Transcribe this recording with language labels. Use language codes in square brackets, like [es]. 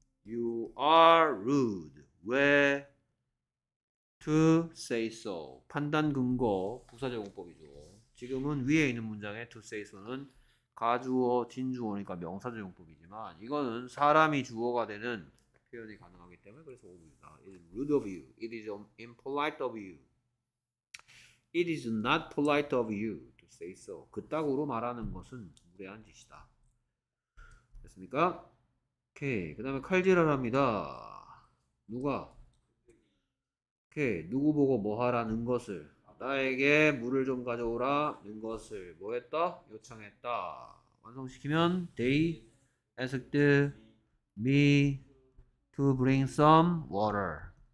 [en] You are rude. 왜? To say so. [ko] 판단 근거 부사제공법이죠. 지금은 위에 있는 문장에 to say so는 가주어, 진주어니까 명사제용법이지만 이거는 사람이 주어가 되는 표현이 가능하기 때문에 그래서 오브입니다. [en] It is rude of you. It is impolite of you. It is not polite of you to say so. [ko] 그따구로 말하는 것은 무례한 짓이다. 됐습니까? 오케이. 그 다음에 칼질하랍니다. 누가? 오케이. 누구 보고 뭐하라는 것을? 나에게 물을 좀 가져오라 는 것을 뭐했다? 요청했다. 완성시키면 [en] they asked me to bring some water.